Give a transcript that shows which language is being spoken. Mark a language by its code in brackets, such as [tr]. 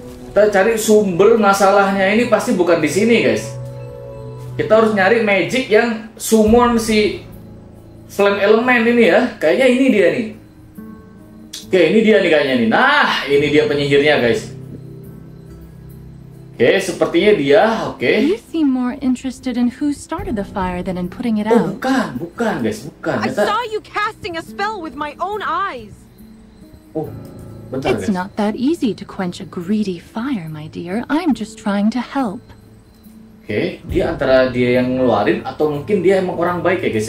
[id] Kita cari sumber masalahnya ini pasti bukan di sini guys. Kita harus nyari magic yang summon si flame element ini ya. Kayaknya ini dia nih. Oke, ini dia nih kayaknya nih. Nah, ini dia penyihirnya guys. Oke, sepertinya dia. Oke. Okay. [en] You seem more interested in who started the fire than in putting it out. [id] Oh, bukan, guys, bukan. [en] I saw you casting a spell with my own eyes. [id] Oh, bentar, guys. [en] It's not that easy to quench a greedy fire, my dear. I'm just trying to help. [id] Oke, dia antara dia yang ngeluarin atau mungkin dia emang orang baik ya, guys?